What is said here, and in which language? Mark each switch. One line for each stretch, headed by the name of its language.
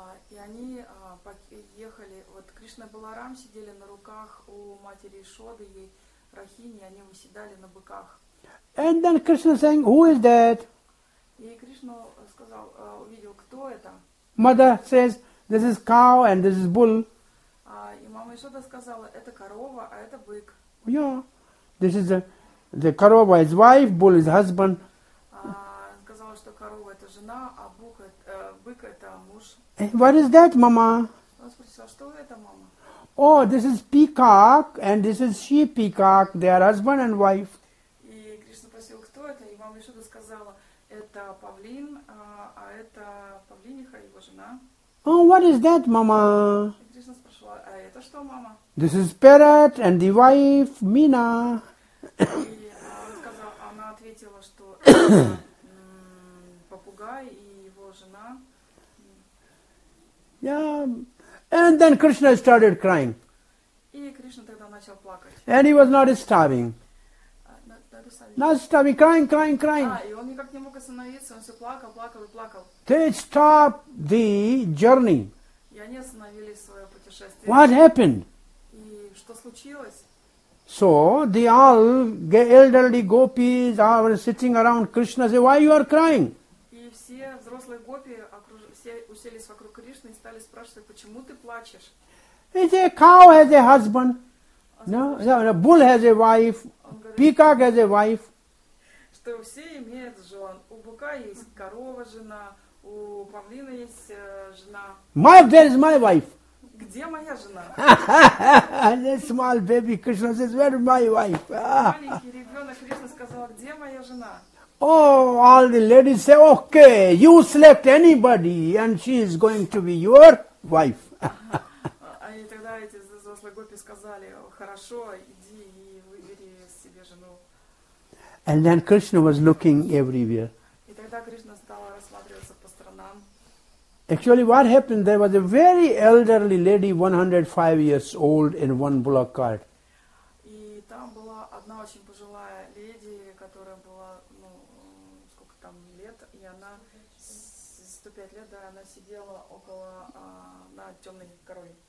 Russian: И они ехали, вот Кришна и Баларам сидели на руках у матери Яшоды и Рахини, они выседали на быках.
English: And then Krishna saying, who is that?
Russian: И Кришна сказал, увидел, кто это.
English: Mother says, this is cow and this is bull.
Russian: И мама Яшода сказала, это корова, а это бык.
English: Yeah, this is the
Russian: корова
English: is wife, bull is husband.
Russian: Сказала, что корова это жена, а бык это муж.
English: What is that, mama?
Russian: Она спросила, что это, мама?
English: Oh, this is peacock and this is she peacock. They are husband and wife.
Russian: И Кришна спросил, кто это, и мама Яшода сказала, это павлин, а это павлиниха его жена.
English: Oh, what is that, mama?
Russian: Что,
English: this is parrot and the wife, Meena.
Russian: Она ответила, что это попугай и его жена.
English: Yeah. And then Krishna started crying.
Russian: И Кришна тогда начал плакать.
English: And he was not starving. Not starving, crying.
Russian: И он никак не мог остановиться, он все плакал.
English: They stopped the journey.
Russian: И они остановили свое путешествие.
English: What happened?
Russian: И что случилось?
English: So, the all elderly gopis are sitting around Krishna, say, why you are crying?
Russian: И все взрослые гопи все уселись вокруг Кришны и стали спрашивать, почему ты плачешь?
English: He said, cow has a husband. No, bull has a wife. Peacock has a wife.
Russian: Что все имеют жен. У быка есть корова, жена. У павлина есть жена.
English: My, where is my wife?
Russian: Где моя жена?
English: A small baby Krishna says, where is my wife?
Russian: Маленький ребенок Кришна сказал, где моя жена?
English: Oh, all the ladies say, okay, you select anybody and she is going to be your wife.
Russian: Они тогда эти взрослые гопи сказали, хорошо, иди и выбери себе жену.
English: And then Krishna was looking everywhere.
Russian: И тогда Кришна стала рассматриваться.
English: Actually, what happened, there was a very elderly lady, 105 years old, in one bullock cart.
Russian: И там была одна очень пожилая леди, которая была, ну, сколько там лет, и она, 105 лет, да, она сидела около, на темной корове.